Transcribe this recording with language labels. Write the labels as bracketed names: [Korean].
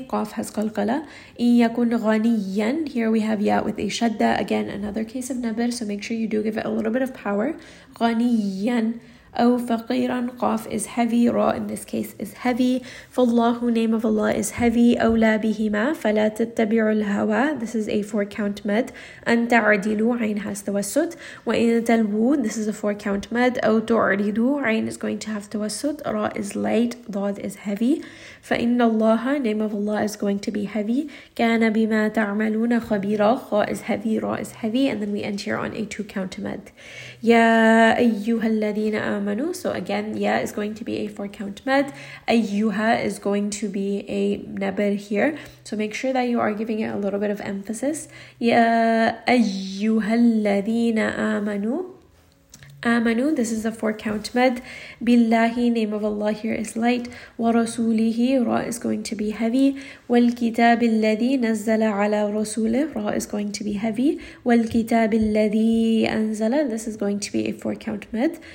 [English] Qaf has qalqala. [Arabic] In yakun ghaniyan, [English] here we have ya with a shadda. Again, another case of nabir. So make sure you do give it a little bit of power. Ghaniyan. [Arabic] أو فقيرا [English] قاف is heavy, را in this case is heavy. فالله, name of Allah, is heavy. [Arabic] أولى بهما فلا تتبع الهوى, [English] this is a four count med. [Arabic] أن تعدلوا, عين has توسط. وإن تلووا, [English] this is a four count med. [Arabic] أو تعرضوا, [English] عين is going to have توسط. را is light, ضاد is heavy. فإن الله, name of Allah, is going to be heavy. [Arabic] كان بما تعملون خبيرا, خاء [English] is heavy, [Arabic] را is heavy. [English] And then we end here on a two count med. [Arabic] يا أيها الذين آمنوا. [English] So again, ya is going to be a four count med. Ayyuha is going to be a nabir here. So make sure that you are giving it a little bit of emphasis. [Arabic] Ya أيها الذين آمنوا. [English] Amanu, this is a four count med. Billahi, name of Allah, here is light. Warasulihi, ra is going to be heavy. [Arabic] Walkitab alladhi nazzala ala rasulih, [English] ra is going to be heavy. [Arabic] Walkitab alladhi anzala, [English] this is going to be a four count med.